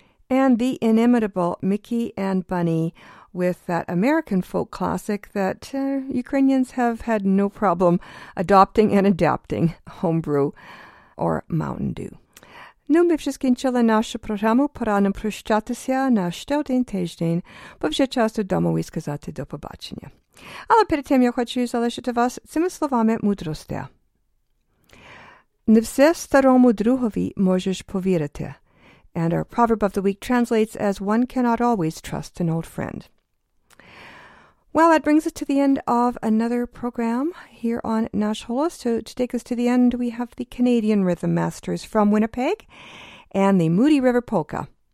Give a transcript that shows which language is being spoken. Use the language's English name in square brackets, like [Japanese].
[English] And the inimitable Mickey and Bunny with that American folk classic that Ukrainians have had no problem adopting and adapting, homebrew or Mountain Dew. [Ukrainian] Ну, ми вже скінчили нашу програму, пора нам прощатися на ще один тиждень, бо вже час додому і сказати до побачення. Але перед тим я хочу залишити вас цими словами мудрості. Не все старому другові можеш повірити. [English] And our proverb of the week translates as, one cannot always trust an old friend. Well, that brings us to the end of another program here on Nash Holos. So to take us to the end, we have the Canadian Rhythm Masters from Winnipeg and the Moody River Polka.